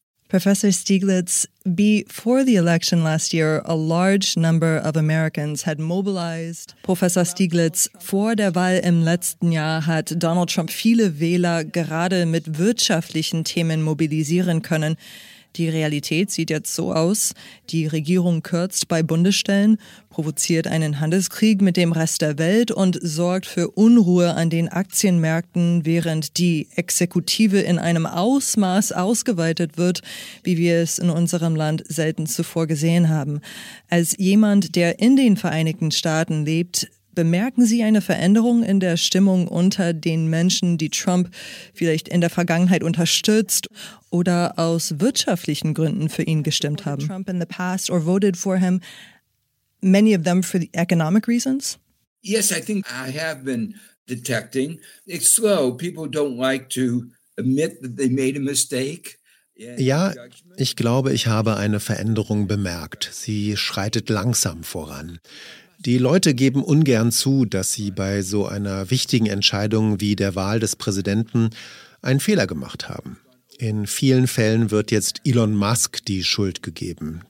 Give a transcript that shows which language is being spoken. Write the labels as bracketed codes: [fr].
[en] Professor Stiglitz, before the election last year, a large number of Americans had mobilized. [de] Professor Stiglitz, vor der Wahl im letzten Jahr hat Donald Trump viele Wähler gerade mit wirtschaftlichen Themen mobilisieren können. Die Realität sieht jetzt so aus, die Regierung kürzt bei Bundesstellen, provoziert einen Handelskrieg mit dem Rest der Welt und sorgt für Unruhe an den Aktienmärkten, während die Exekutive in einem Ausmaß ausgeweitet wird, wie wir es in unserem Land selten zuvor gesehen haben. Als jemand, der in den Vereinigten Staaten lebt, bemerken Sie eine Veränderung in der Stimmung unter den Menschen, die Trump vielleicht in der Vergangenheit unterstützt oder aus wirtschaftlichen Gründen für ihn gestimmt haben? [en] Trump in the past or voted for him, many of them for the economic reasons? Yes, I think I have been detecting. It's slow. People don't like to admit that they made a mistake. [de] Ja, ich glaube, ich habe eine Veränderung bemerkt. Sie schreitet langsam voran. Die Leute geben ungern zu, dass sie bei so einer wichtigen Entscheidung wie der Wahl des Präsidenten einen Fehler gemacht haben. In vielen Fällen wird jetzt Elon Musk die Schuld gegeben.